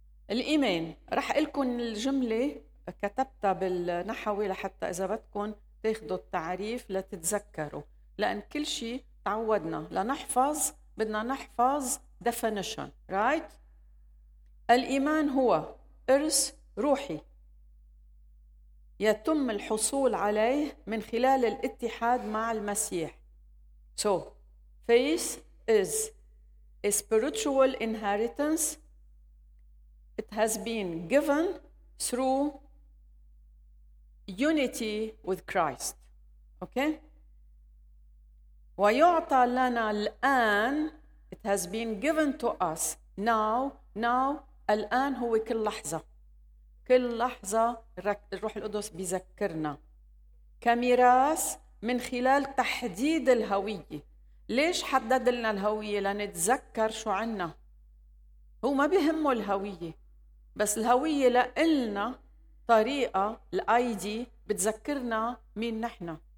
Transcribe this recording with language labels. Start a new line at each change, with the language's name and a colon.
Arabic: الإيمان رح قلكن الجملة كتبتها بالنحوي لحتى إذا بدكن تاخدوا التعريف لتتذكروا، لأن كل شيء تعودنا لنحفظ بدنا نحفظ definition.
English: right.
Arabic: الإيمان هو إرث روحي يتم الحصول عليه من خلال الاتحاد مع المسيح.
English: So faith is a spiritual inheritance. It has been given through unity with Christ.
Arabic: Okay. ويعطى لنا الآن.
English: It has been given to us now.
Arabic: Now الآن هو كل لحظة. كل لحظة الروح القدس بيذكرنا كميراث من خلال تحديد الهوية. ليش حدد لنا الهوية؟ لنتذكر شو عنا. هو ما بيهمه الهوية، بس الهوية لقلنا طريقة الاي دي بتذكرنا مين نحن.